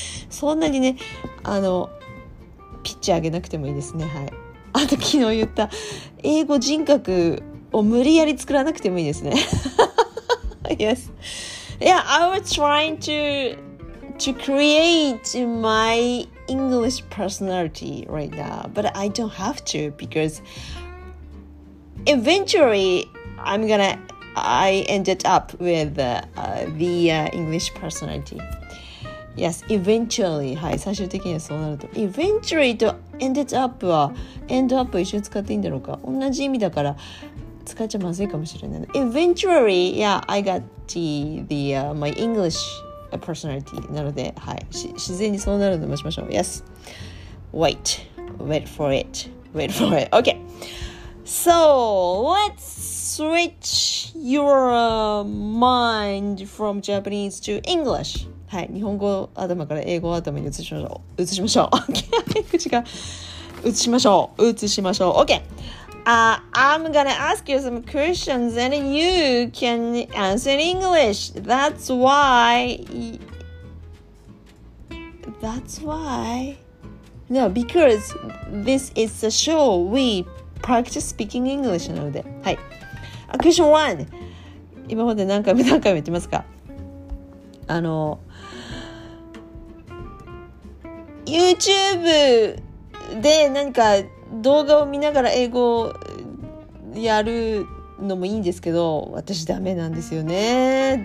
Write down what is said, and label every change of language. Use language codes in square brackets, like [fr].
[ja] そんなにね、ピッチ上げなくてもいいですね。はい。あと昨日言った英語人格を無理やり作らなくてもいいですね。 [en] Yes. Yeah, I was trying to create my English personality right now, but I don't have to because eventually I ended up with English personality. Yes, eventually. [ja] はい、最終的にはそうなると。 Eventually と ended up は、end up 一緒に使っていいんだろうか。同じ意味だから使っちゃまずいかもしれない。 [en] Eventually, yeah, I got my English personality. [ja] なので、はい、自然にそうなるので待ちましょう。 [en] Yes. Wait for it. Okay. So, let's switch your mind from Japanese to English. [ja] はい、日本語頭から英語頭に移しましょう。移しましょう。Okay. [en] I'm gonna ask you some questions and you can answer in English. That's why. No, because this is the show we practice speaking English なので。はい。Question one. [ja] 今まで何回も言ってますか。 YouTube で何か動画を見ながら英語をやるのもいいんですけど、私ダメなんですよね。